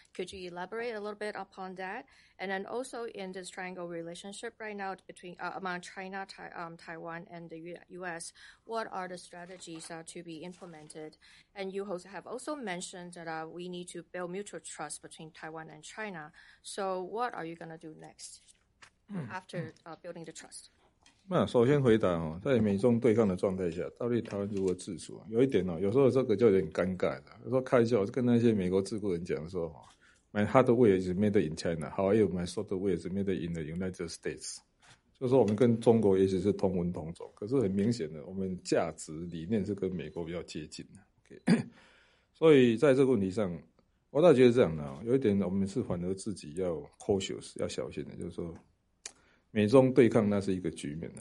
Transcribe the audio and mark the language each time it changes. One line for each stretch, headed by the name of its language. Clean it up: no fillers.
English: Could you elaborate a little bit upon that? And then also in this triangle relationship right now between among China, Taiwan, and the U.S., what are the strategies to be implemented? And you also have also mentioned that we need to build mutual trust between Taiwan and China. So what are you going to do next after building the trust?
Chinese: 首先回答，在美中对抗的状态下，到底台湾如何自处？有一点，有时候这个就有点尴尬的。有时候开玩笑，跟那些美国智库人讲说，
English: My hardware is made in China. However, my software is made in the United States.
Chinese: 就是说我们跟中国也许是同文同种，可是很明显的，我们价值理念是跟美国比较接近的。 Okay. 所以在这个问题上，我倒觉得这样的，有一点我们是反而自己要 cautious， 要小心的。就是说，美中对抗那是一个局面。